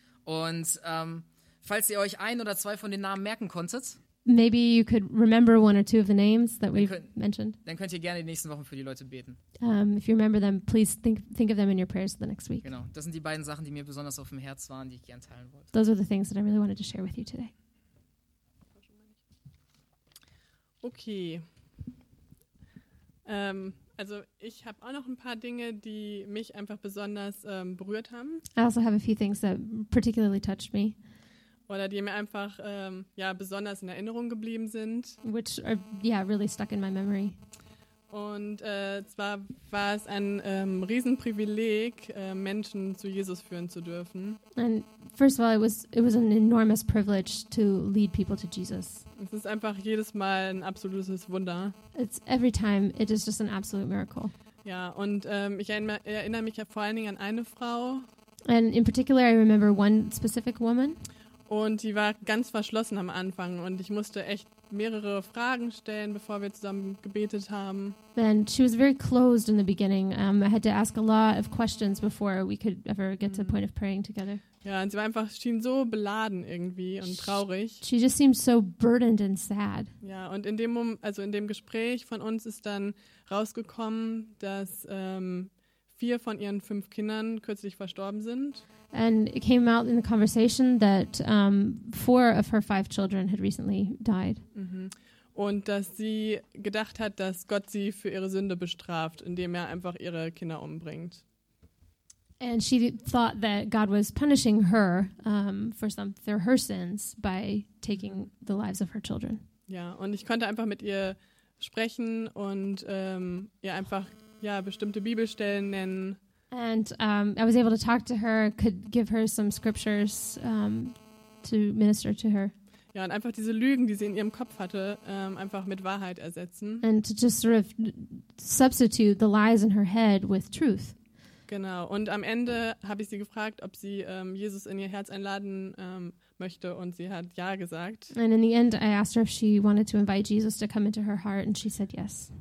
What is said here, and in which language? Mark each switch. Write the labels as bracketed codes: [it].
[de] Und falls ihr euch ein oder zwei von den Namen merken konntet. [en] maybe you could remember one or two of the names that we've mentioned. [de] Dann könnt ihr gerne die nächsten Wochen für die Leute beten. [en] If you remember them, please think of them in your prayers the next week. [de] Genau, das sind die beiden Sachen, die mir besonders auf dem Herz waren, die ich gerne teilen wollte. [en] Those are the things that I really wanted to share with you today. Okay. [de] Also ich habe auch noch ein paar Dinge, die mich einfach besonders berührt haben. [en] I also have a few things that particularly touched me. [de] Oder die mir einfach besonders in Erinnerung geblieben sind. [en] Which are, yeah, really stuck in my memory. [de] Und zwar war es ein Riesenprivileg, Menschen zu Jesus führen zu dürfen. [en] And first of all, it was an enormous privilege to lead people to Jesus. [de] Es ist einfach jedes Mal ein absolutes Wunder. [en] It's every time, it is just an absolute miracle. [de] Ja, und ich erinnere mich ja vor allen Dingen an eine Frau. [en] And in particular, I remember one specific woman. [de] Und die war ganz verschlossen am Anfang und ich musste echt mehrere Fragen stellen, bevor wir zusammen gebetet haben. [en] And she was very closed in the beginning. I had to ask a lot of questions before we could ever get to the point of praying together. [de] Ja, und sie war einfach, schien so beladen irgendwie und traurig. [en] She just seemed so burdened and sad. [de] Ja, und in dem Gespräch von uns ist dann rausgekommen, dass 4 von ihren 5 Kindern kürzlich verstorben sind. [en] And it came out in the conversation that 4 of her 5 children had recently died. Mm-hmm. [de] Und dass sie gedacht hat, dass Gott sie für ihre Sünde bestraft, indem er einfach ihre Kinder umbringt. [en] And she thought that God was punishing her for her sins by taking the lives of her children. [de] Ja, und ich konnte einfach mit ihr sprechen und ihr einfach ja bestimmte Bibelstellen nennen. [en] And I was able to talk to her, could give her some scriptures to minister to her. [de] Ja, und einfach diese Lügen, die sie in ihrem Kopf hatte, einfach mit Wahrheit ersetzen. [en] And to just sort of substitute the lies in her head with truth. [de] Genau, und am Ende habe ich sie gefragt, ob sie Jesus in ihr Herz einladen möchte, und sie hat ja gesagt. [en] And in the end I asked her if she wanted to invite Jesus to come into her heart, and she said yes.